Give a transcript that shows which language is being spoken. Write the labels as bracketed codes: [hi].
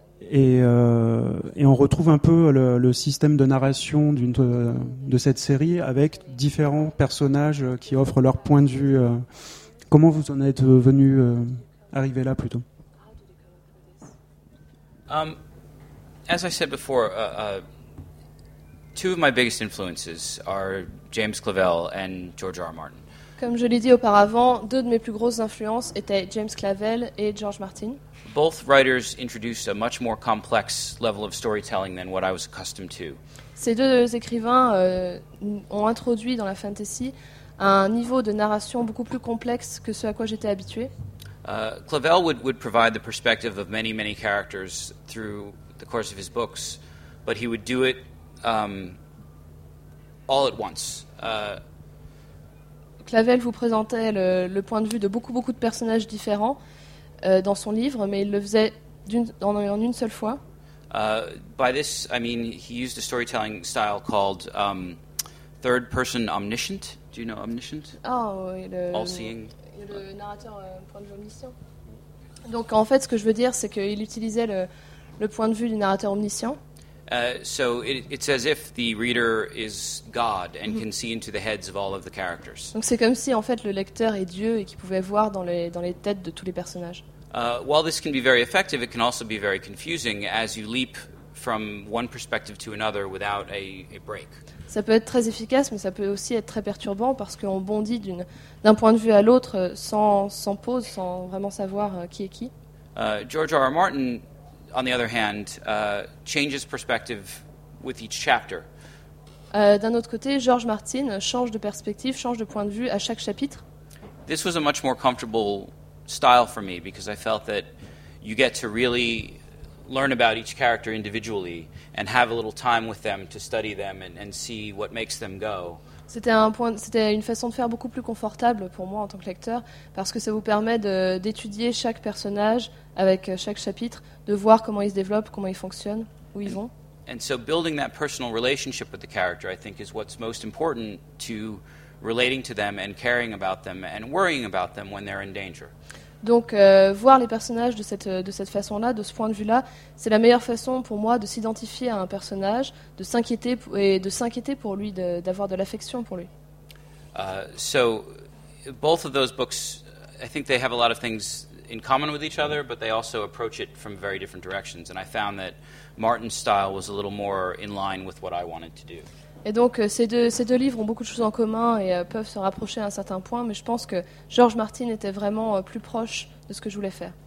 [fr] Et on retrouve un peu le système de narration de cette série avec différents personnages qui offrent leur point de vue. Comment vous en êtes venu arriver là plutôt ? [en] As I said before, two of my biggest influences are James Clavell and George R. R. Martin. [fr] Comme je l'ai dit auparavant, deux de mes plus grosses influences étaient James Clavell et George Martin. [en] Both writers introduced a much more complex level of storytelling than what I was accustomed to. [fr] Ces deux écrivains ont introduit dans la fantasy un niveau de narration beaucoup plus complexe que ce à quoi j'étais habitué. [en] Clavell would provide the perspective of many, many characters through the course of his books. but he would do it all at once. [fr] Clavel vous présentait le point de vue de beaucoup de personnages différents dans son livre, mais il le faisait en une seule fois. [en] By this, I mean he used a storytelling style called third person omniscient. Do you know omniscient? [fr] Ah, oui, [en] all-seeing. [fr] Le narrateur point de vue omniscient. Donc en fait, ce que je veux dire, c'est qu'il utilisait le point de vue du narrateur omniscient. [en] So it's as if the reader is God and can see into the heads of all of the characters. [fr] Donc c'est comme si en fait le lecteur est Dieu et qu'il pouvait voir dans les têtes de tous les personnages. [en] While this can be very effective, it can also be very confusing as you leap from one perspective to another without a break. [fr] Ça peut être très efficace, mais ça peut aussi être très perturbant parce qu'on bondit d'un point de vue à l'autre sans pause, sans vraiment savoir qui est qui. [en] George R. R. Martin, on the other hand, changes perspective with each chapter. [fr] D'un autre côté, George Martin change de perspective, change de point de vue à chaque chapitre. [en] This was a much more comfortable style for me because I felt that you get to really learn about each character individually and have a little time with them to study them and see what makes them go. [fr] C'était une façon de faire beaucoup plus confortable pour moi en tant que lecteur parce que ça vous permet d'étudier chaque personnage avec chaque chapitre, de voir comment ils se développent, comment ils fonctionnent, où ils vont. [en] And so building that personal relationship with the character, I think, is what's most important to relating to them and caring about them and worrying about them when they're in danger. [fr] Donc voir les personnages de cette façon-là, de ce point de vue-là, c'est la meilleure façon pour moi de s'identifier à un personnage, de s'inquiéter et de s'inquiéter pour lui, d'avoir de l'affection pour lui. [en] So both of those books, I think they have a lot of things in common with each other, but they also approach it from very different directions, and I found that Martin's style was a little more in line with what I wanted to do. [fr] Et donc, ces deux livres ont beaucoup de choses en commun et peuvent se rapprocher à un certain point, mais je pense que George Martin était vraiment plus proche de ce que je voulais faire.